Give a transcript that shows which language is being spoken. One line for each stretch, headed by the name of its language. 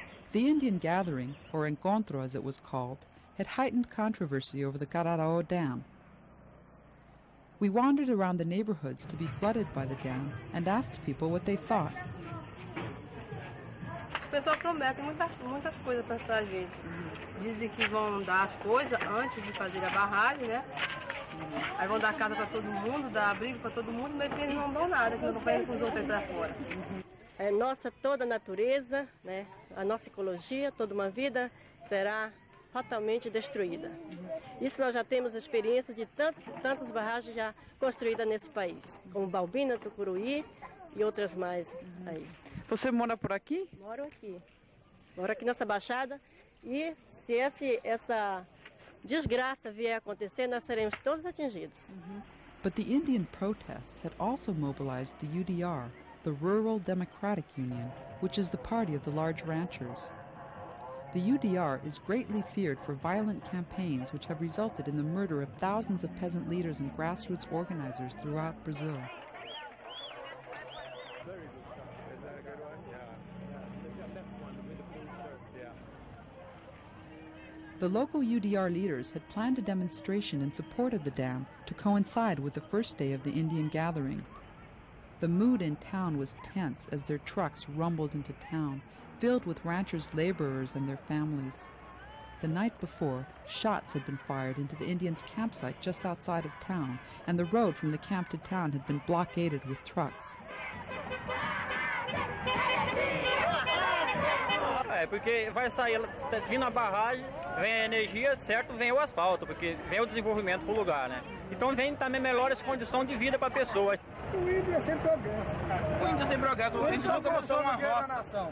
English: The Indian gathering, or encontro as it was called, had heightened controversy over the Cararao Dam. We wandered around the neighborhoods to be flooded by the dam and asked people what they thought.
Portuguese: O pessoal promete muitas coisas pra gente. Dizem que vão dar as coisas antes de fazer a barragem, né? Aí vão dar casa para todo mundo, dar abrigo para todo mundo, mas eles não dão nada, que não vai com os outros para fora. É nossa toda a natureza, né? A nossa ecologia, toda uma vida será fatalmente destruída. Isso nós já temos experiência de tantas barragens já construídas nesse país, como Balbina, Tucuruí e outras mais aí. Você mora por aqui? Moro aqui nessa baixada e se essa desgraça vier a acontecer, nós seremos todos atingidos.
English: But the Indian protest had also mobilized the UDR, the Rural Democratic Union, which is the party of the large ranchers. The UDR is greatly feared for violent campaigns which have resulted in the murder of thousands of peasant leaders and grassroots organizers throughout Brazil. The local UDR leaders had planned a demonstration in support of the dam to coincide with the first day of the Indian gathering. The mood in town was tense as their trucks rumbled into town, filled with ranchers' laborers and their families. The night before, shots had been fired into the Indians' campsite just outside of town, and the road from the camp to town had been blockaded with trucks.
Portuguese: É porque vai sair, tá vindo a barragem, vem a energia, certo, vem o asfalto, porque vem o desenvolvimento pro lugar, né? Então vem também melhores condições de vida para a pessoa. O índio é sem progresso. O índio é sem progresso, o índio nunca passou uma roça.